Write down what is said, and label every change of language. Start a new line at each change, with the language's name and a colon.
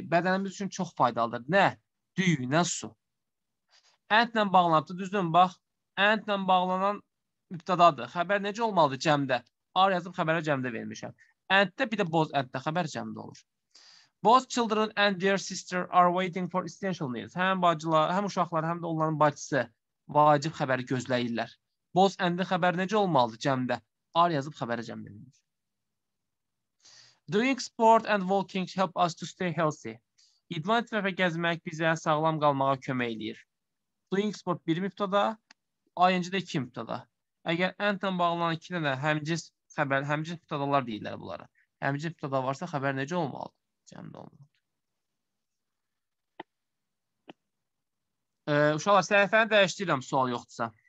Azerbaijani: Bədənimiz üçün çox faydalıdır. Nə? Düyü, nə su. And-lə bağlanıbdır, düzdür mü? Bax, and-lə bağlanan mübtədadır. Xəbər necə olmalıdır cəmdə? Are yazıb xəbərə cəmdə vermişəm. And-də bir də both and-də xəbər cəmdə olur.
English: Both children and their sister are waiting for essential needs.
Azerbaijani: Həm bacılar, həm uşaqlar, həm də onların bacısı vacib xəbəri gözləyirlər. Both and-in xəbəri necə olmalıdır cəmdə? Are yazıb xəbərə cəmdə vermişəm.
English: Doing sport and walking help us to stay healthy.
Azerbaijani: İdman etməklə gəzmək bizə sağlam qalmağa kömək eləyir. Doing sport bir müftada, ayıncı da iki müftada. Əgər and-dan bağlanan iki dənə həmcins xəbər, həmcins müftadalar deyirlər bunlara. Həmcins müftada varsa xəbər necə olmalı? Cəmdə olmalı. Uşaqlar, səhifəni dəyişdirirəm, sual yoxdursa.